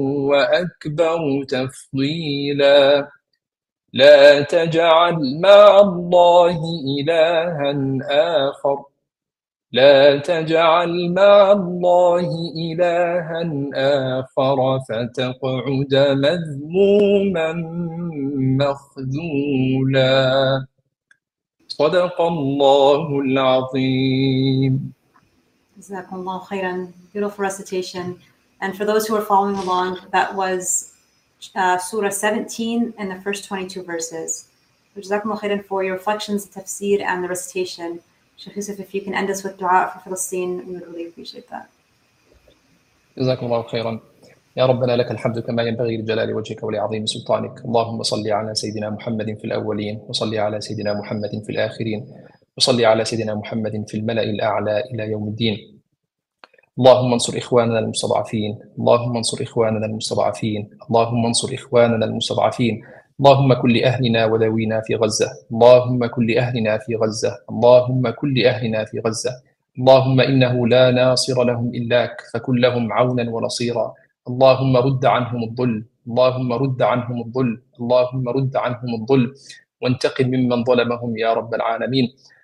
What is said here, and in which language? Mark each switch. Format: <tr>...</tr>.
<ar>وأكبر تفضيلا لا تجعل مع الله إلها آخر لا تجعل مع الله إلها آخر فتقعد مذموما مخذولا صدق الله العظيم.</ar> <en>Jazakallah khairan. Beautiful recitation. And for those who are following along, that was Surah 17 and the first 22 verses. Jazakallah khairan for your reflections, tafsir, and the recitation. Sheikh Yousef, if you can end us with dua for Palestine, we would really appreciate that. Jazakallah khairan.</en> <ar>يا ربنا لك الحمد كما ينبغي لجلال وجهك ولعظيم سلطانك اللهم صل على سيدنا محمد في الأولين وصلي على سيدنا محمد في الآخرين وصلي على سيدنا محمد في الملأ الأعلى إلى يوم الدين اللهم انصر إخواننا المستضعفين اللهم انصر إخواننا المستضعفين اللهم انصر إخواننا المستضعفين اللهم كل أهلنا وذوينا في غزة اللهم كل أهلنا في غزة اللهم كل أهلنا في غزة اللهم إنه لا ناصر لهم إلاك فكن لهم عونا ونصيرا اللهم رد عنهم الظل اللهم رد عنهم الظل اللهم رد عنهم الظل وانتقم ممن ظلمهم يا رب العالمين</ar>